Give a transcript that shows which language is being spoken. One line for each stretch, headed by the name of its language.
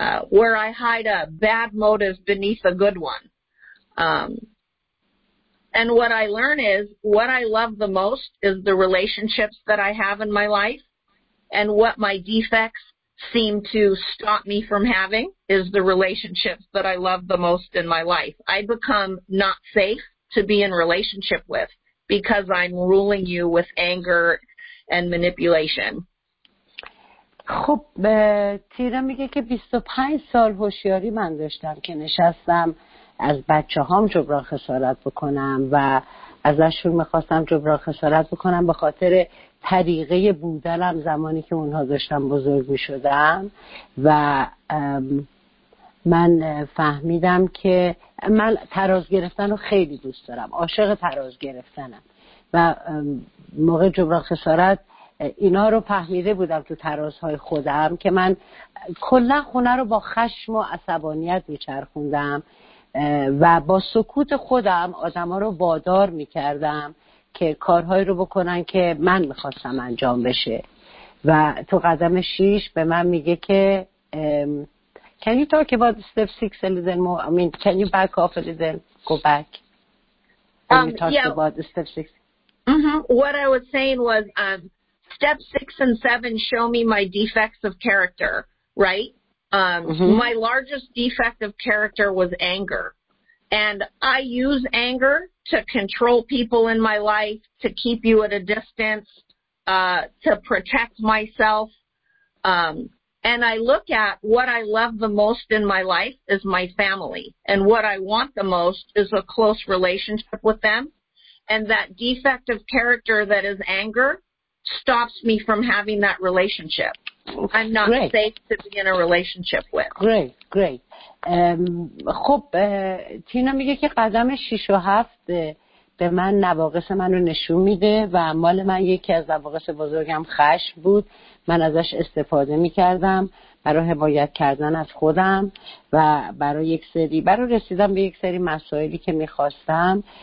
English: Where I hide a bad motive beneath a good one. And what I learn is what I love the most is the relationships that I have in my life, and what my defects seem to stop me from having is the relationships that I love the most in my life. I become not safe to be in relationship with because I'm ruling you with anger and manipulation.
Persian: خب تیرا میگه که 25 سال هوشیاری من داشتم که نشستم از بچه‌هام جبران خسارت بکنم و ازشون میخواستم جبران خسارت بکنم به خاطر طریقه بودنم زمانی که اونها داشتن بزرگ میشدن و من فهمیدم که من تراز گرفتن رو خیلی دوست دارم، عاشق تراز گرفتنم و موقع جبران خسارت اینا رو فهمیده بودم تو ترازهای خودم که من کلا خونه رو با خشم و عصبانیت میچرخوندم و با سکوت خودم آدم ها رو وادار میکردم که کارهایی رو بکنن که من میخواستم انجام بشه. و تو قدم 6 به من میگه که
English: can you talk about step 6 a little more, I mean can you back off a little, go back, can you talk about step 6? What I was saying was step 6 and 7 show me my defects of character, right? My largest defect of character was anger. And I use anger to control people in my life, to keep you at a distance, to protect myself. And I look at what I love the most in my life is my family. And what I want the most is a close relationship with them. And that defect of character that is anger stops me from having that relationship. I'm not safe to be in a relationship with. Great.
Persian: خب تینا میگه که قدم 6 و 7 به من نواقص منو نشون میده و مال من یکی از نواقص بزرگم خشم بود. من ازش استفاده میکردم برای حمایت کردن از خودم و برای رسیدن به یک سری مسائلی که میخواستم.